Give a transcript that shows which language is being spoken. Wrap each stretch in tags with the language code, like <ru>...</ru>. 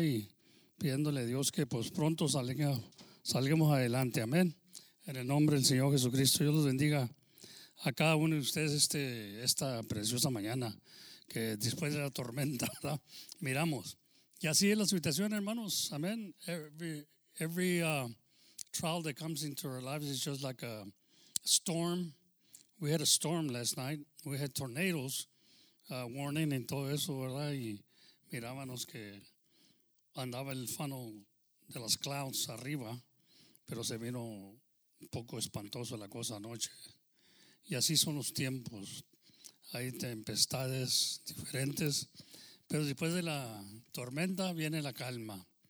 <es>Y pidiéndole a Dios que pues pronto salgamos adelante. Amén. En el nombre del Señor Jesucristo, yo los bendiga a cada uno de ustedes esta preciosa mañana que después de la tormenta, ¿verdad? Miramos. Y así es la situación, hermanos. Amén.</es> <en>Every trial that comes into our lives is just like a storm. We had a storm last night. We had tornadoes warning and</en> <es>todo eso, ¿verdad? Y mirábamos que andaba el funnel de las clouds arriba, pero se vino un poco espantoso la cosa anoche. Y así son los tiempos. Hay tempestades diferentes, pero después de la tormenta viene la calma.</es>